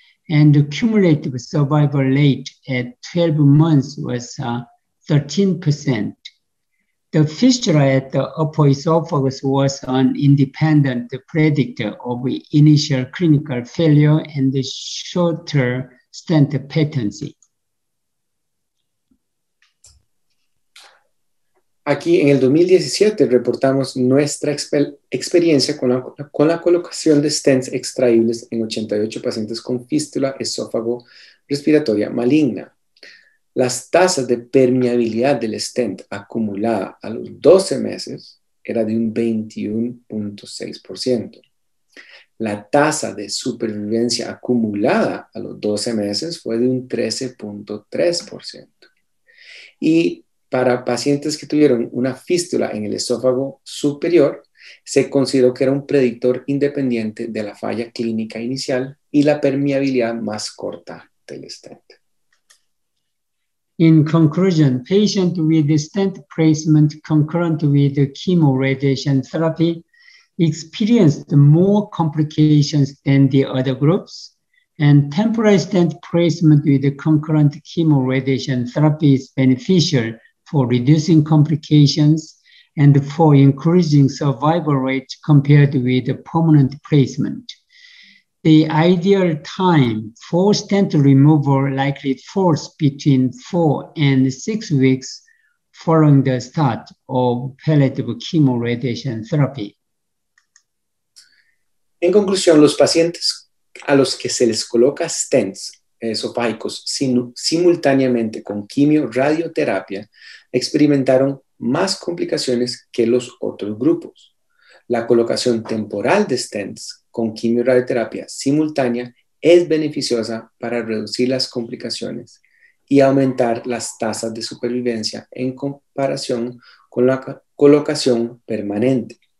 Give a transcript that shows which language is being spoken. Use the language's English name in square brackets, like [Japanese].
[English] And the cumulative survival rate at 12 months was 13%. The fistula at the upper esophagus was an independent predictor of initial clinical failure and the shorter stent patency. [Spanish] Aquí en el 2017 reportamos nuestra experiencia con la colocación de stents extraíbles en 88 pacientes con fístula esófago respiratoria maligna. Las tasas de permeabilidad del stent acumulada a los 12 meses era de un 21.6%. La tasa de supervivencia acumulada a los 12 meses fue de un 13.3%. Y para pacientes que tuvieron una fístula en el esófago superior, se consideró que era un predictor independiente de la falla clínica inicial y la permeabilidad más corta del stent. [English] In conclusion, patient with stent placement concurrent with chemoradiation therapy experienced more complications than the other groups. And temporary stent placement with concurrent chemoradiation therapy is beneficial for reducing complications and for increasing survival rate compared with the permanent placement. The ideal time for stent removal likely falls between 4 and 6 weeks following the start of palliative chemoradiation therapy. [Spanish] En conclusión, los pacientes a los que se les coloca stents esofágicos simultáneamente con quimio radioterapia experimentaron más complicaciones que los otros grupos. La colocación temporal de stents con quimioterapia simultánea es beneficiosa para reducir las complicaciones y aumentar las tasas de supervivencia en comparación con la colocación permanente.